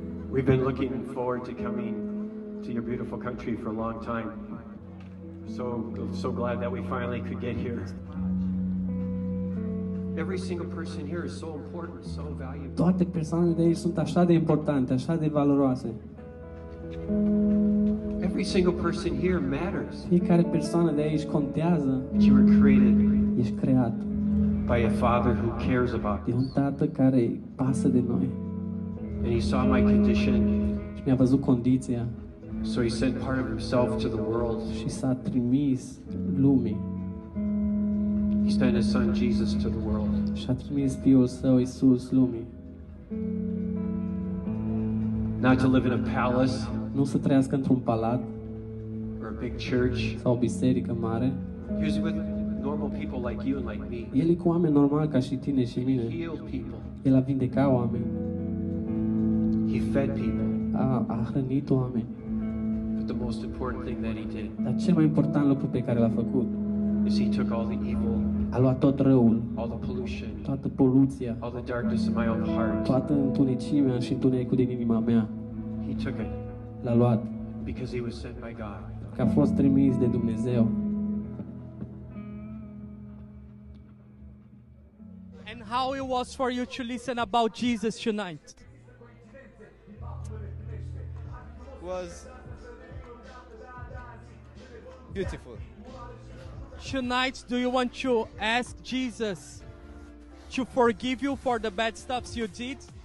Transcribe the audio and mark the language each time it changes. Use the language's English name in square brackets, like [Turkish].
[English] We've been looking forward to coming to your beautiful country for a long time. So glad that we finally could get here. Every single person here is so important, so valuable. [Romanian] Toate persoanele de aici sunt așa de importante, așa de valoroase. [English] Every single person here matters. [Romanian] Fiecare persoană de aici contează. [English] But you were created. [Romanian] Ești creat. [English] By a father who cares about us. [Romanian] De un tată care pasă de noi. [English] And he saw my condition. [Romanian] Și mi-a văzut condiția. [English] So he sent part of himself to the world. [Romanian] Și s-a trimis lumii. [English] He sent his son Jesus to the world. [Romanian] Și a trimis fiul său Isus lumii. [English] Not to live in a palace. [Romanian] Nu să trăiască într-un palat. [English] Or a big church. [Romanian] Sau o biserică mare. [English] He was with normal people like you and like me. [Romanian] El e cu oameni normali ca și tine și mine. El a vindecat oameni. [English] He fed people. [Romanian] A hrănit oameni. [English] But the most important thing that he did. [Romanian] Dar cel mai important lucru pe care l-a făcut. [English] Is he took all the evil. [Romanian] A luat tot răul. [English] All the pollution. [Romanian] Toată poluția. [English] All the darkness of my own heart. [Romanian] Toată întunecimea și întunecul din inima mea. [English] He took it. [Romanian] L-a luat. [English] Because he was sent by God. [Romanian] Că a fost trimis de Dumnezeu. [English] And how it was for you to listen about Jesus tonight? Was beautiful. Tonight, do you want to ask Jesus to forgive you for the bad stuff you did?